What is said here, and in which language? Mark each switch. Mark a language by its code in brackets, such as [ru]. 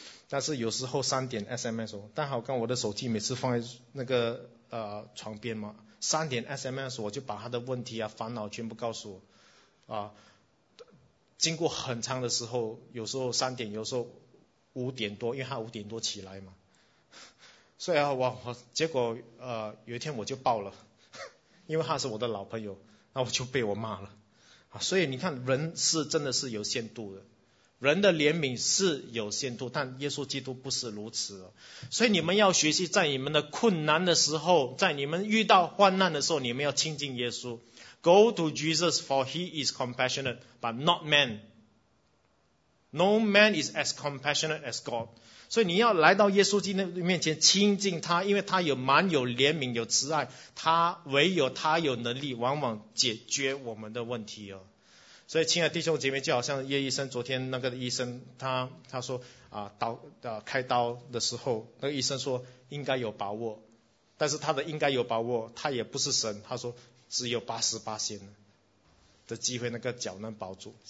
[zh] 但是有时候三点 SMS 哦，但好跟我的手机每次放在那个床边嘛，三点 SMS 我就把他的问题啊烦恼全部告诉我，经过很长的时候，有时候三点，有时候五点多，因为他五点多起来嘛，所以啊我结果有一天我就爆了，因为他是我的老朋友，那我就被我骂了，所以你看人是真的是有限度的。人的怜悯是有限度，但耶稣基督不是如此。所以你们要学习，在你们的困难的时候，在你们遇到患难的时候，你们要亲近耶稣。 [en] Go to Jesus, for he is compassionate, but not man. No man is as compassionate as God. [zh] 所以你要来到耶稣基督面前亲近他，因为他有满有怜悯有慈爱，他唯有他有能力往往解决我们的问题。所以亲爱的弟兄姐妹，就好像叶医生昨天那个医生，他说开刀的时候，那个医生说应该有把握，但是他的应该有把握，他也不是神，他说只有80%的机会那个脚能保住。